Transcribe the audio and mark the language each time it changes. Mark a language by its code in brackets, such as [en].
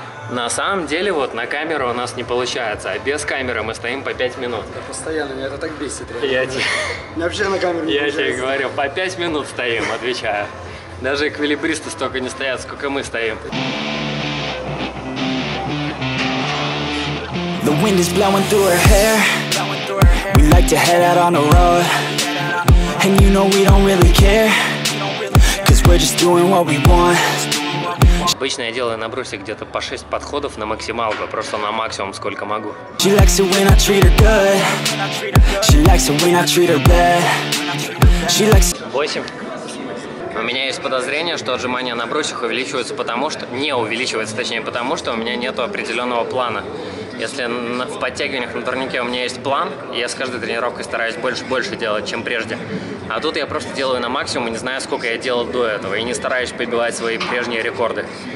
[ru] На самом деле, вот на камеру у нас не получается, а без камеры мы стоим по 5 минут. Да постоянно, меня это так бесит. Реально. Я тебе... Мне вообще на камеру не получается. Я тебе говорю, по 5 минут стоим, отвечаю. Даже эквилибристы столько не стоят, сколько мы стоим. [en] The wind is blowing through her hair. We like to head out on the road. And you know we don't really care. 'Cause we're just doing what we want. [ru] Обычно я делаю на брусе где-то по 6 подходов на максималку, просто на максимум сколько могу. [en] She likes it when I treat her good. She likes it when I treat her bad. She likes... 8. [ru] У меня есть подозрение, что отжимания на брусьях увеличиваются потому, что... Не увеличиваются, точнее, потому что у меня нету определенного плана. Если в подтягиваниях на турнике у меня есть план, я с каждой тренировкой стараюсь больше делать, чем прежде. А тут я просто делаю на максимум, не знаю, сколько я делал до этого, и не стараюсь побивать свои прежние рекорды.